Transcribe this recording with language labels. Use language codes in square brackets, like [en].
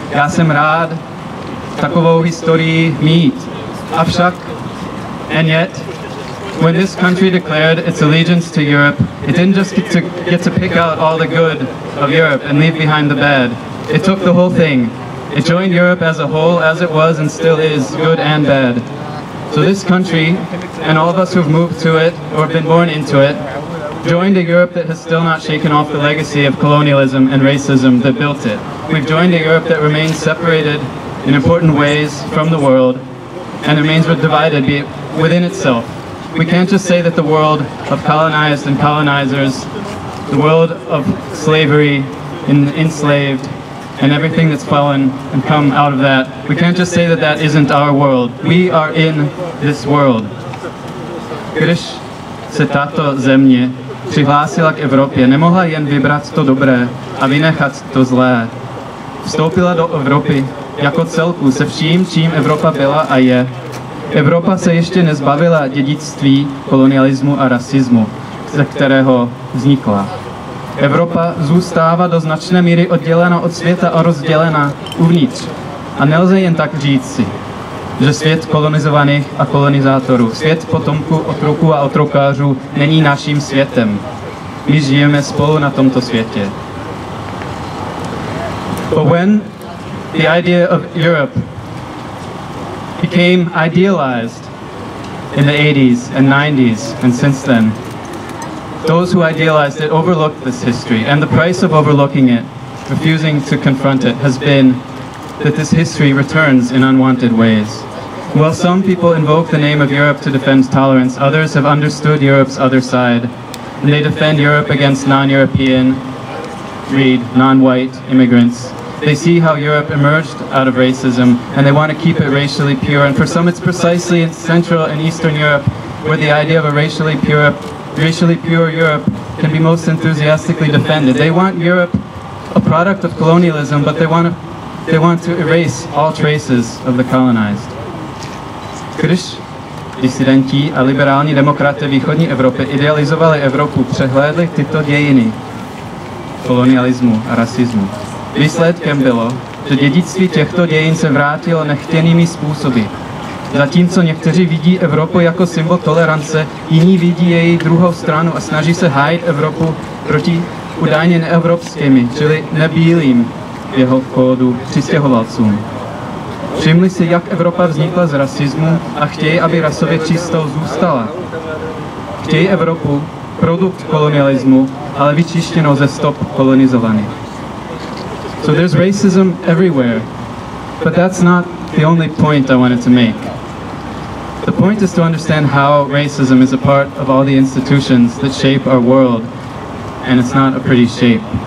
[cs] Já jsem rád takovou historii mít. Avšak, [en] and yet, when this country declared its allegiance to Europe, it didn't just get to pick out all the good of Europe and leave behind the bad. It took the whole thing. It joined Europe as a whole, as it was and still is, good and bad. So this country, and all of us who've moved to it or been born into it, joined a Europe that has still not shaken off the legacy of colonialism and racism that built it. We've joined a Europe that remains separated in important ways from the world, and remains divided within itself. We can't just say that the world of colonized and colonizers, the world of slavery and enslaved, and everything that's fallen and come out of that, we can't just say that that isn't our world. We are in this world. [cs] Když se tato země přihlásila k Evropě, nemohla jen vybrat to dobré a vynechat to zlé. Vstoupila do Evropy jako celku se vším, čím Evropa byla a je. Evropa se ještě nezbavila dědictví kolonialismu a rasismu, ze kterého vznikla. Evropa zůstává do značné míry oddělena od světa a rozdělena uvnitř. A nelze jen tak říct si, že svět kolonizovaných a kolonizátorů, svět potomků otroků a otrokářů není naším světem. My žijeme spolu na tomto světě. [en] But when the idea of Europe became idealized in the 80s and 90s and since then, those who idealized it overlooked this history, and the price of overlooking it, refusing to confront it, has been that this history returns in unwanted ways. While some people invoke the name of Europe to defend tolerance, others have understood Europe's other side, and they defend Europe against non-European, read, non-white immigrants. They see how Europe emerged out of racism, and they want to keep it racially pure, and for some it's precisely in Central and Eastern Europe where the idea of a racially pure Europe can be most enthusiastically defended. They want Europe a product of colonialism, but they want to erase all traces of the colonized. [cs] Když disidenti a liberální demokraté východní Evropy idealizovali Evropu, přehlédli tyto dějiny kolonialismu a rasismu. Výsledkem bylo, že dědictví těchto dějin se vrátilo nechtěnými způsoby. Zatímco někteří vidí Evropu jako symbol tolerance, jiní vidí její druhou stranu a snaží se hájit Evropu proti údajně neevropskými, čili nebílým jeho kódu přistěhovalcům. Všimli si, jak Evropa vznikla z rasismu a chtějí, aby rasově čistou zůstala. Chtějí Evropu, produkt kolonialismu, ale vyčištěnou ze stop kolonizovaný. [en] So there's racism everywhere, but that's not the only point I wanted to make. The point is to understand how racism is a part of all the institutions that shape our world, and it's not a pretty shape.